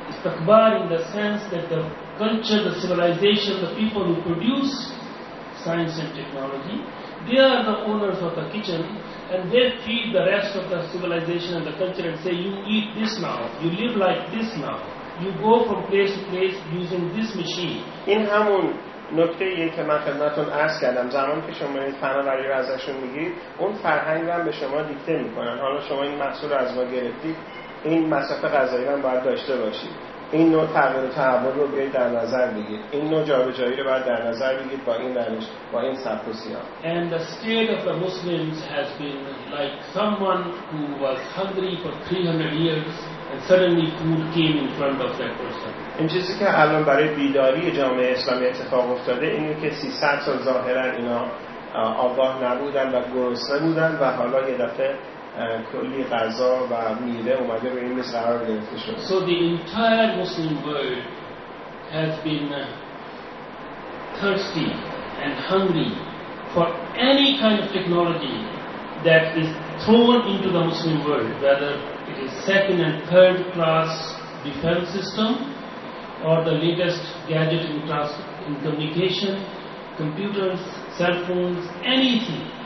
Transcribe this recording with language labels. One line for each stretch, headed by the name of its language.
English: Istikbar in the sense that the culture, the civilization, the people who produce science and technology, they are the owners of the kitchen. And they feed the rest of the civilization and the culture and say, you eat this now, you live like this now, you go from place to place using this machine.
Persian: این همون نکته‌ایه که من خدمتتون عرض کردم. زمانی که شما این فناوری رو ازشون میگیرید، اون فرهنگ رو هم به شما دیکته میکنن. حالا شما این محصول رو از ما گرفتید، این مصرف غذایی رو باید داشته باشید، این نوع تغییر و تحول رو باید در نظر بگیرید، این نوع جابجایی رو باید در نظر بگیرید با این روش، با این سبک و سیاق.
English: And the state of the Muslims has been like someone who was hungry for 300 years and suddenly food came in front of that person.
Persian: این چیزی که الان برای بیداری جامعه اسلامی اتفاق افتاده اینه که 300 سال ظاهرا اینا آگاه نبودن و گرسنه بودن و حالا یه دفعه کلی غذا و میوه اومده به این مصر قرار گرفته شد.
English: So the entire Muslim world has been thirsty and hungry for any kind of technology that is thrown into the Muslim world, whether it is second and third class defense system or the latest gadget in communication, computers, cell phones, anything.